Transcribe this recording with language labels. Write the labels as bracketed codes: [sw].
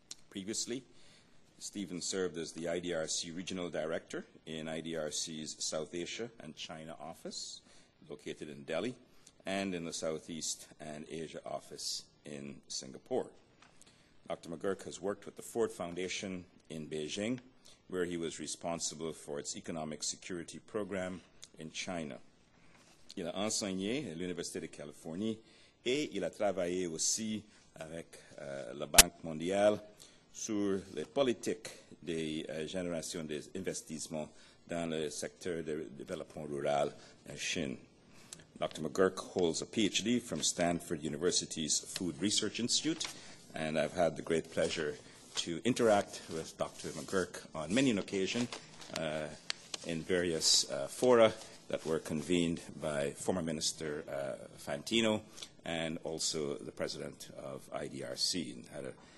[en] Previously, Stephen served as the IDRC Regional Director in IDRC's South Asia and China office, located in Delhi, and in the Southeast and Asia office in Singapore. Dr. McGurk has worked with the Ford Foundation in Beijing, where he was responsible for its economic security program in China. [fr] Il a enseigné à l'Université de Californie et il a travaillé aussi avec la Banque mondiale sur les politiques des générations d'investissements dans le secteur de développement rural en Chine. [en] Dr. McGurk holds a PhD from Stanford University's Food Research Institute, and I've had the great pleasure to interact with Dr. McGurk on many an occasion in various fora that were convened by former Minister Fantino and also the President of IDRC. And had a